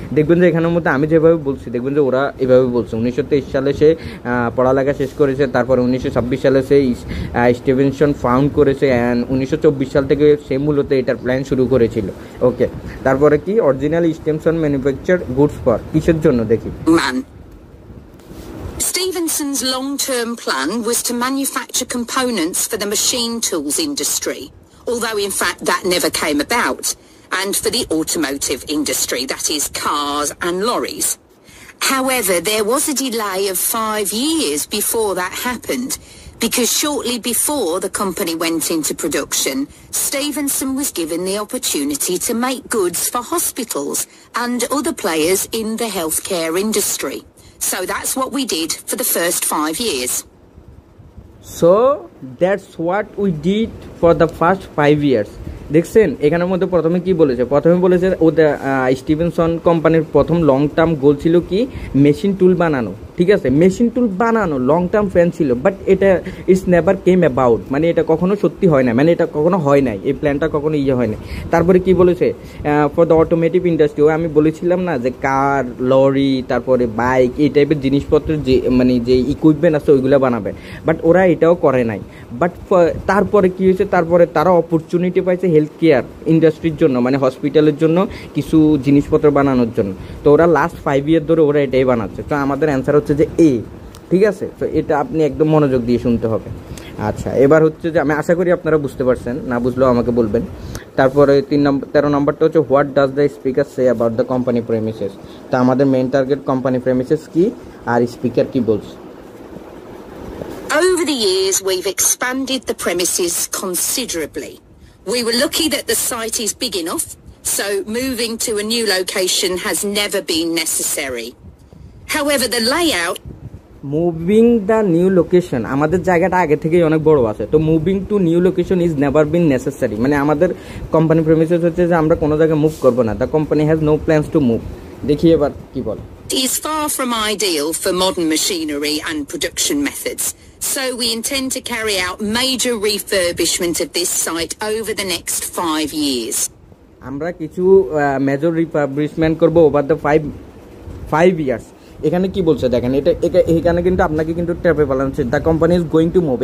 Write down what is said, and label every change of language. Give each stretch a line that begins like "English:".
Bangla: দেখবেন যে এখানের মধ্যে আমি যেভাবে বলছি দেখবেন যে ওরা এভাবে বলছে, 1923 সালে সে পড়ালেখা শেষ করেছে, তারপর 1926 সালে সে স্টিভেনসন ফাউন্ড করেছে, অ্যান্ড 1924 সাল থেকে সে মূলত এটার প্ল্যান শুরু করেছিল। ওকে, তারপরে কি
English: original Stevenson manufacture goods for,
Bangla: কিসের জন্য দেখি।
English: Stevenson's long-term plan was to manufacture components for the machine tools industry, although in fact that never came about, and for the automotive industry, that is cars and lorries. However, there was a delay of 5 years before that happened, because shortly before the company went into production, Stevenson was given the opportunity to make goods for hospitals and other players in the healthcare industry. So that's what we did for the first 5 years. So that's what we did for the first 5 years.
Bangla: দেখছেন এখানের মধ্যে প্রথমে কি বলেছে, প্রথমে বলেছে ও the Stevenson কোম্পানির প্রথম লং টার্ম গোল ছিল কি, মেশিন টুল বানানো, ঠিক আছে, মেশিন টুল বানানো লং টার্ম প্ল্যান ছিল, বাট এটা
English: is never came about,
Bangla: মানে এটা কখনো সত্যি হয় না, মানে এটা কখনো হয় নাই, এই প্ল্যানটা কখনো ইয়ে হয় নাই। তারপরে কি বলেছে,
English: for the automotive industry,
Bangla: ও আমি বলেছিলাম না যে কার, লরি, তারপরে বাইক, এই টাইপের জিনিসপত্রের যে মানে যে ইকুইপমেন্ট আছে ওইগুলো বানাবে, বাট ওরা এটাও করে নাই। বাট তারপরে কি হয়েছে, তারপরে তারা অপরচুনিটি পাইছে হেলথ কেয়ার ইন্ডাস্ট্রির জন্য, মানে হসপিটালের জন্য কিছু জিনিসপত্র বানানোর জন্য। তো ওরা লাস্ট 5 ইয়ার ধরে ওরা এটাই বানাচ্ছে। তো আমাদের অ্যান্সার হচ্ছে যে এ, ঠিক আছে। তো এটা আপনি একদম মনোযোগ দিয়ে শুনতে হবে। আচ্ছা, এবার হচ্ছে যে আমি আশা করি আপনারা বুঝতে পারছেন, না বুঝলেও আমাকে বলবেন। তারপরে 13 নম্বরটা হচ্ছে
English: What does the speaker say about the company premises.
Bangla: তো আমাদের মেন টার্গেট কোম্পানি প্রেমিসেস কি আর স্পিকার কি বলছে।
English: Over the years, we've expanded the premises considerably. We were lucky that the site is big enough, so moving to a new location has never been necessary. However, the layout... Moving the new location,
Bangla: আমাদের জায়গাটা আগে থেকেই অনেক বড় আছে, তো
English: moving to new location is never been necessary.
Bangla: মানে আমাদের company premises হচ্ছে যে আমরা কোনো জায়গায় move করবো না,
English: the company has no plans to move.
Bangla: দেখি এবার কি বলে।
English: Is far from ideal for modern machinery and production methods, so we intend to carry out major refurbishment of this site over the next 5 years.
Bangla: Amra kichu
English: major refurbishment
Bangla: korbo
English: over the 5 years.
Bangla: এখানে কি বলছে দেখেন, এটা এখানে কিন্তু আপনাকে কিন্তু ট্র্যাপে ফেলানো,
English: The company is going to move.